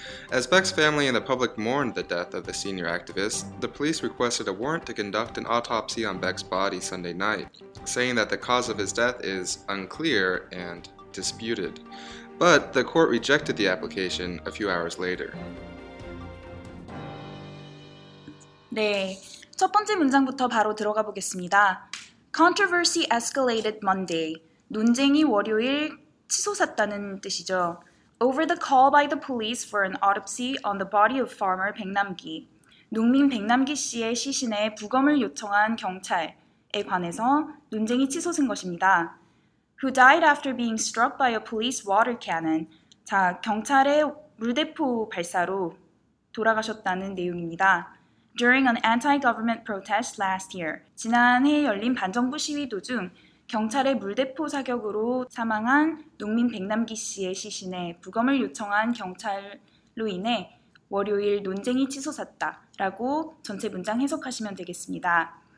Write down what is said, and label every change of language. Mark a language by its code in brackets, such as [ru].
[en] As Beck's family and the public mourned the death of the senior activist, the police requested a warrant to conduct an autopsy on Beck's body Sunday night, saying that the cause of his death is unclear and disputed. But the court rejected the application a few hours later. [ko] 네, 첫 번째 문장부터 바로 들어가 보겠습니다. [en] Controversy escalated Monday. [ko] 논쟁이 월요일 치솟았다는 뜻이죠. [en] Over the call by the police for an autopsy on the body of farmer 백남기. [ko] 농민 백남기 씨의 시신에 부검을 요청한 경찰에 관해서 논쟁이 치솟은 것입니다. [en] Who died after being struck by a police water cannon. [ko] 자, 경찰의 물대포 발사로 돌아가셨다는 내용입니다. [en] During an anti-government protest last year. [ko] 지난해 열린 반정부 시위 도중 경찰의 물대포 사격으로 사망한 농민 백남기 씨의 시신에 부검을 요청한 경찰로 인해 월요일 논쟁이 치솟았다 라고 전체 문장 해석하시면 되겠습니다.